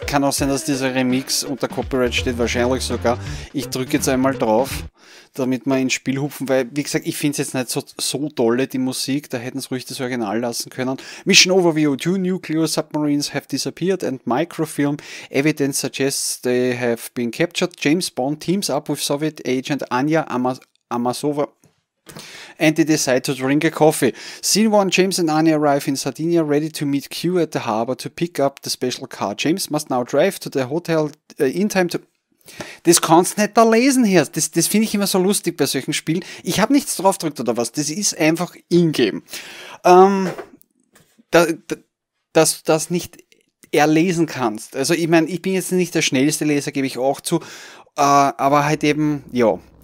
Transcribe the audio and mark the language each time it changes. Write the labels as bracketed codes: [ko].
[de] Kann auch sein, dass dieser Remix unter Copyright steht, wahrscheinlich sogar. Ich drücke jetzt einmal drauf, damit wir ins Spiel hupfen, weil, wie gesagt, ich finde es jetzt nicht so dolle, die Musik. Da hätten sie ruhig das Original lassen können. [en] Mission Overview. Two nuclear submarines have disappeared and microfilm evidence suggests they have been captured. James Bond teams up with Soviet agent Anya Amasova. And they decide to drink a coffee. Scene 1, James and Anya arrive in Sardinia, ready to meet Q at the harbor to pick up the special car. James must now drive to the hotel in time to... [de] Das kannst du nicht da lesen hier. Das finde ich immer so lustig bei solchen Spielen. Ich habe nichts drauf gedrückt oder was. Das ist einfach in-game. Dass du das nicht erlesen kannst. Also ich meine, ich bin jetzt nicht der schnellste Leser, gebe ich auch zu. Aber halt eben, ja...